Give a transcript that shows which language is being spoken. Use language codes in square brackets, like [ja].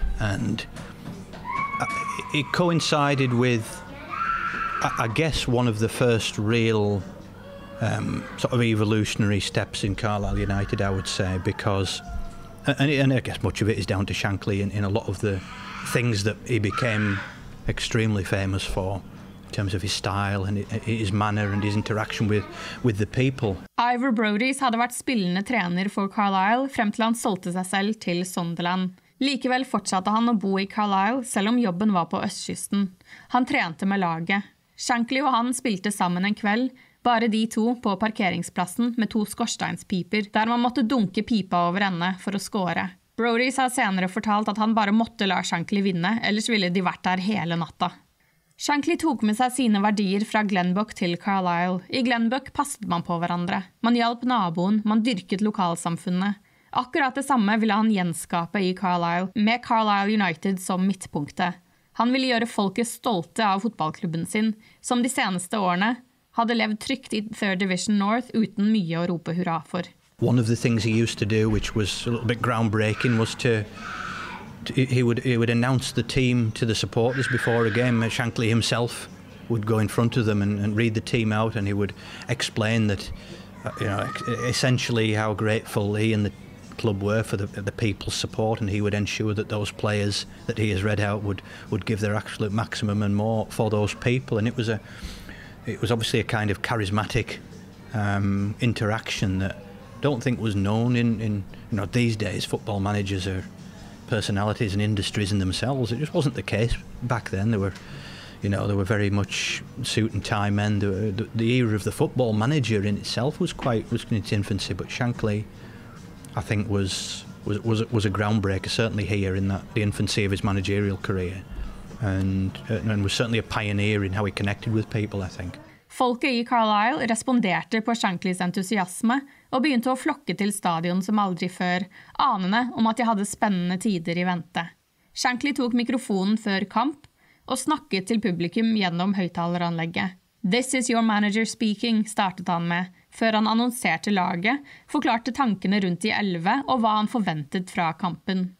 [en] And it coincided with, I guess, one of the first real sort of evolutionary steps in Carlisle United, I would say, because, and I guess much of it is down to Shankly in a lot of the things that he became extremely famous for in terms of his style and his manner and his interaction with the people. [no] Ivor Broaddus hadde vært spillende trener for Carlisle frem til han solgte seg selv til Sunderland. Likevel fortsatte han å bo i Carlisle selv om jobben var på østkysten. Han trente med laget. Shankly og han spilte sammen en kveld, bare de to på parkeringsplassen med to skorsteinspiper, der man måtte dunke pipa over ende for å score. Broaddus har senere fortalt at han bare måtte la Shankly vinne, ellers ville de vært der hele natta. Shankly tok med seg sine verdier fra Glenbuck til Carlisle. I Glenbuck passet man på hverandre. Man hjalp naboen, man dyrket lokalsamfunnet. Akkurat det samme ville han gjenskape i Carlisle, med Carlisle United som midtpunktet. Han ville gjøre folket stolte av fotballklubben sin, som de seneste årene hadde levd trygt i Third Division North uten mye å rope hurra for. [en] One of the things he used to do, which was a little bit groundbreaking, was he would announce the team to the supporters before a game. Shankly himself would go in front of them and read the team out, and he would explain that, you know, essentially how grateful he and the club were for the people's support, and he would ensure that those players that he has read out would give their absolute maximum and more for those people. And it was obviously a kind of charismatic interaction that don't think was known in you know, these days. Football managers are personalities and industries in themselves. It just wasn't the case back then. They were very much suit and tie men. The era of the football manager in itself was quite in its infancy. But Shankly, I think was a groundbreaker, certainly here in that, the infancy of his managerial career, and was certainly a pioneer in how he connected with people, I think. [no] Folket I Carlisle responderte på Shankly's entusiasme og begynte å flokke til stadion som aldri før, anende om at de hadde spennende tider I vente. Shankly tok mikrofonen før kamp og snakket til publikum gjennom høyttaleranlegget. [en] «This is your manager speaking», [no] startet han med, før han annonserte laget, forklarte tankene rundt de 11 og hva han forventet fra kampen.